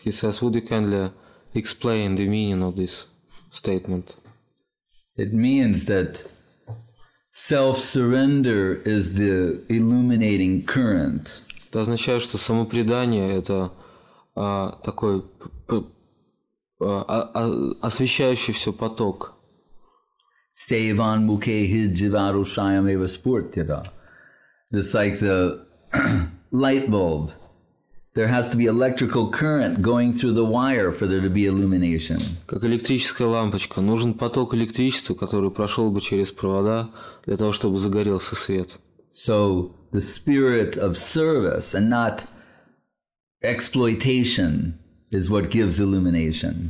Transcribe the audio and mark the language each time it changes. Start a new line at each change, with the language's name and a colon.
English: He says, would you kindly explain the meaning of this statement? It means that self-surrender is the illuminating current.
Russian: Это означает, что самопредание – это такой освещающий все поток.
Sanskrit: Сейван муке хидживару шайам эва спуртира.
English: It's like the light bulb. There has to be electrical current going through the wire for there to be illumination.
Russian: Как электрическая лампочка. Нужен поток электричества, который прошел бы через провода, для того, чтобы загорелся свет.
English: So, the spirit of service and not exploitation is what gives illumination.